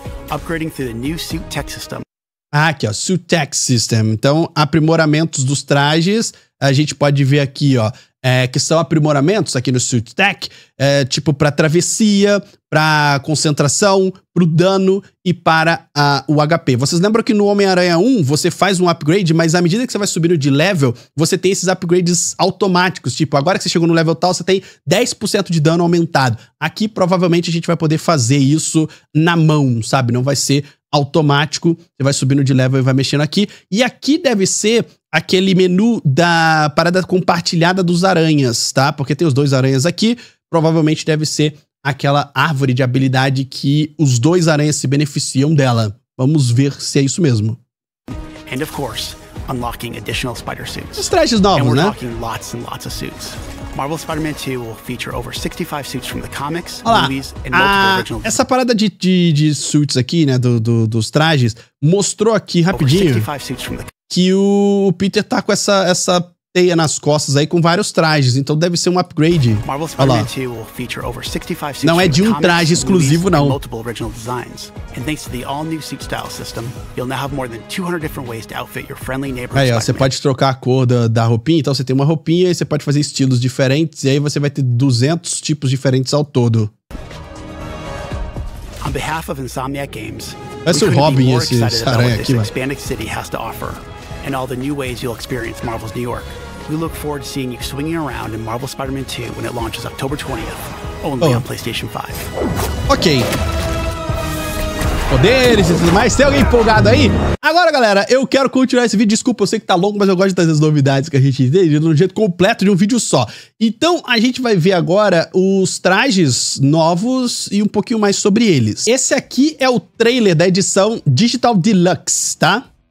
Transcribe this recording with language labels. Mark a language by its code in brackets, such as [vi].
[en] upgrading through the new suit tech system. [pt] Ah, aqui, ó, suit tech system. Então, aprimoramentos dos trajes, a gente pode ver aqui, ó, que são aprimoramentos aqui no suit tech, tipo para travessia, para concentração, pro dano e para o HP. Vocês lembram que no Homem-Aranha 1 você faz um upgrade, mas à medida que você vai subindo de level, você tem esses upgrades automáticos. Tipo, agora que você chegou no level tal, você tem 10% de dano aumentado. Aqui, provavelmente, a gente vai poder fazer isso na mão, sabe? Não vai ser automático. Você vai subindo de level e vai mexendo aqui. E aqui deve ser aquele menu da parada compartilhada dos aranhas, tá? Porque tem os dois aranhas aqui. Provavelmente deve ser aquela árvore de habilidade que os dois aranhas se beneficiam dela. Vamos ver se é isso mesmo. [en] And of course, unlocking additional spider suits. [pt] Os trajes novos, [en] and [pt] né? [en] Unlocking lots and lots of suits. Marvel Spider-Man 2 will feature over 65 suits from the comics, movies, and multiple original. [pt] Essa parada de suits aqui, né? Dos trajes, mostrou aqui rapidinho que o Peter tá com essa teia nas costas aí com vários trajes, então deve ser um upgrade. [en] Marvel Spider-Man 2 will feature over 65 suits. [pt] Não é de um traje exclusivo, não. [en] Multiple original designs. And thanks to the all-new suit style system, you'll now have more than 200 different ways to outfit your friendly neighbor. [pt] Aí, ó, você pode trocar a cor da roupinha, então você tem uma roupinha e você pode fazer estilos diferentes e aí você vai ter 200 tipos diferentes ao todo. [en] On behalf of Insomniac Games, [pt] parece o Robin esse aranha aqui, [en] Expanded City has to offer. And all the new ways you'll experience Marvel's New York. We look forward to seeing you swinging around in Marvel Spider-Man 2 when it launches October 20th, only on PlayStation 5. [pt] Ok. Poderes e tudo mais. Tem alguém empolgado aí? Agora, galera, eu quero continuar esse vídeo. Desculpa, eu sei que tá longo, mas eu gosto de trazer as novidades que a gente tem de um jeito completo de um vídeo só. Então, a gente vai ver agora os trajes novos e um pouquinho mais sobre eles. Esse aqui é o trailer da edição Digital Deluxe, tá?